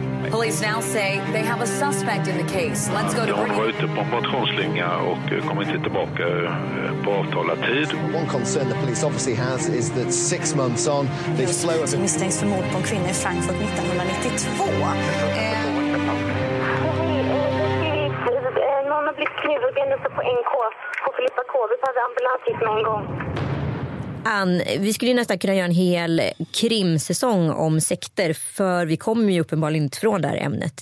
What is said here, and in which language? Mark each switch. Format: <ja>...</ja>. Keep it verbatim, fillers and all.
<en>Police now say they have a suspect in the case. Let's go to</en> <sv>De var ute på en motionsslinga och kom inte tillbaka på avtalad tid.</sv> <en>One concern the police obviously has is that six months on they slow up.</en> <sv>Misstänks för mord på en kvinna i Frankfurt nittonhundranittiotvå. Någon har blivit knivhuggen uppe på N K. På Filippa K. Vi hade ambulans hit med en gång. Ann, vi skulle ju nästan kunna göra en hel krimsäsong om sekter, för vi kommer ju uppenbarligen inte från det här ämnet.</sv>